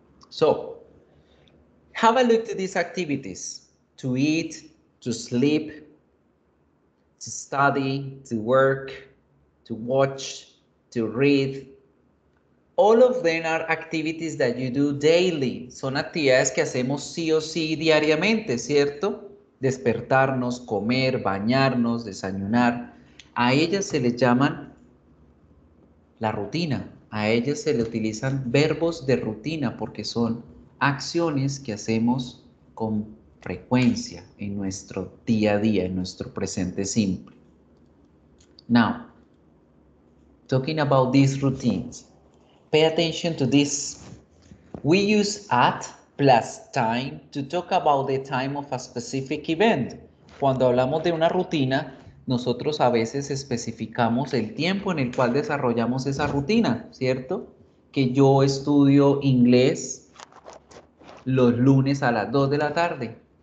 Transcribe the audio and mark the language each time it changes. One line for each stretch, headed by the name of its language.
English: So have a look at these activities: to eat, to sleep, to study, to work, to watch, to read. All of them are activities that you do daily.
Spanish: Son actividades que hacemos sí o sí diariamente, ¿cierto? Despertarnos, comer, bañarnos, desayunar. A ellas se les llaman la rutina. A ellas se le utilizan verbos de rutina porque son acciones que hacemos con frecuencia en nuestro día a día, en nuestro presente simple.
English: Now, talking about these routines, pay attention to this. We use at plus time to talk about the time of a specific event.
Spanish: Cuando hablamos de una rutina, nosotros a veces especificamos el tiempo en el cual desarrollamos esa rutina, ¿cierto? Que yo estudio inglés los lunes a las 2 de la tarde.